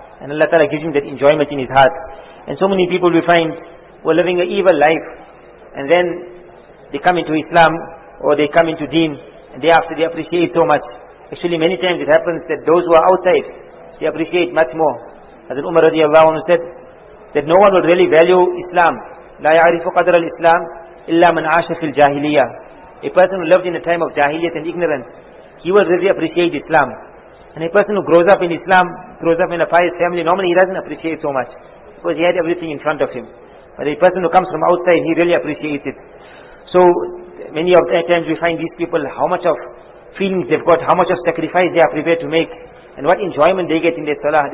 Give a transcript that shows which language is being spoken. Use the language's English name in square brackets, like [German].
[English] And Allah Ta'ala gives him that enjoyment in his heart. And so many people we find, who are living an evil life. and then they come into Islam or they come into Deen, and thereafter they appreciate so much. Actually, many times it happens that those who are outside, they appreciate much more. As Umar radiallahu anhu said, that no one will really value Islam. [Arabic] لا يعرف قدر الإسلام إلا من عاش في الجاهلية. [English] A person who lived in a time of jahiliyyah and ignorance, he will really appreciate Islam. And a person who grows up in Islam, grows up in a pious family, normally he doesn't appreciate so much, because he had everything in front of him. But a person who comes from outside, he really appreciates it. So many of the times we find these people, how much of feelings they've got, how much of sacrifice they are prepared to make, and what enjoyment they get in their salah.